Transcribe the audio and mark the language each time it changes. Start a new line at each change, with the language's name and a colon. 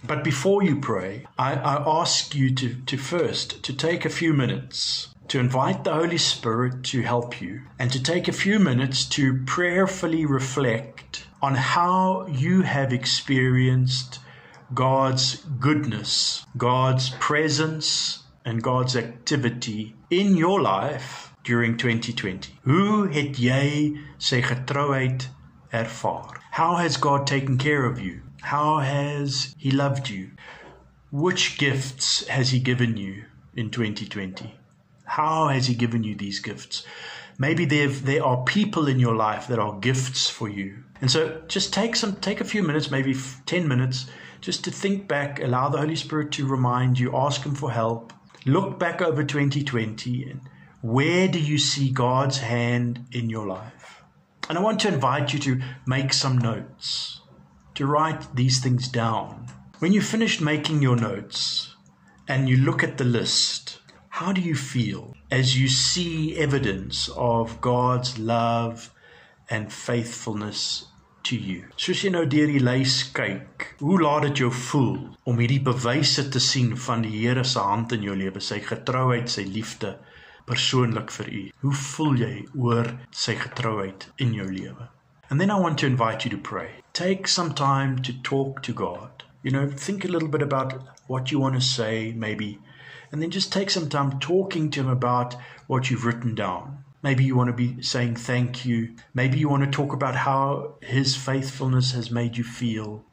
English: But before you pray, I ask you to first take a few minutes to invite the Holy Spirit to help you, and to take a few minutes to prayerfully reflect on how you have experienced God's goodness, God's presence, and God's activity in your life during 2020.
Afrikaans: Hoe het jy sy getrouheid ervaar?
English: How has God taken care of you? How has he loved you? Which gifts has he given you in 2020? How has he given you these gifts? Maybe there are people in your life that are gifts for you. And so just take a few minutes, maybe 10 minutes, just to think back, allow the Holy Spirit to remind you, ask Him for help. Look back over 2020 and where do you see God's hand in your life? And I want to invite you to make some notes, to write these things down. When you finished making your notes and you look at the list, how do you feel as you see evidence of God's love and faithfulness to you?
Afrikaans: Soos jy nou deur die lys kyk, hoe laat dit jou voel om hierdie bewyse te sien van die Here se hand in jou lewe, sy getrouheid, sy liefde persoonlik vir u? Hoe voel jy oor sy getrouheid in jou lewe?
English: And then I want to invite you to pray. Take some time to talk to God. You know, think a little bit about what you want to say, maybe. And then just take some time talking to Him about what you've written down. Maybe you want to be saying thank you. Maybe you want to talk about how His faithfulness has made you feel.